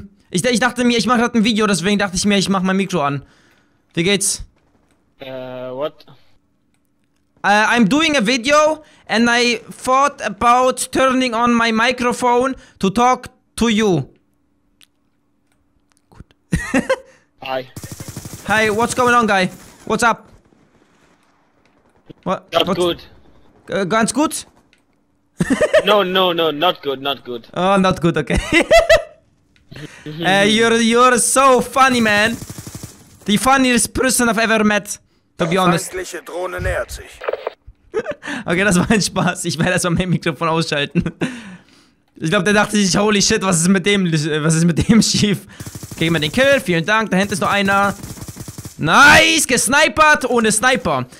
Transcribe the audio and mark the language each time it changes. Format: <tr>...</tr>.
<de>Ich dachte mir, ich mache gerade ein Video, deswegen dachte ich mir, ich mache mein Mikro an. Wie geht's?</de> <en>What? I'm doing a video and I thought about turning on my microphone to talk to you.</en> <de>Gut. Hi.</de> <en>Hi, what's going on, guy? What's up? Not good.</en> <de>Ganz gut?</de> <en>No, not good. Oh, not good, okay. you're so funny, man. The funniest person I've ever met, to be honest.</en> <de>Die feindliche Drohne nähert sich. Okay, das war ein Spaß. Ich werde erstmal mein Mikrofon ausschalten. Ich glaube, der dachte sich,</de> <en>holy shit,</en> <de>was ist mit dem schief? Kriegen wir den Kill, vielen Dank, da hinten ist noch einer. Nice, gesnipert ohne Sniper.</de>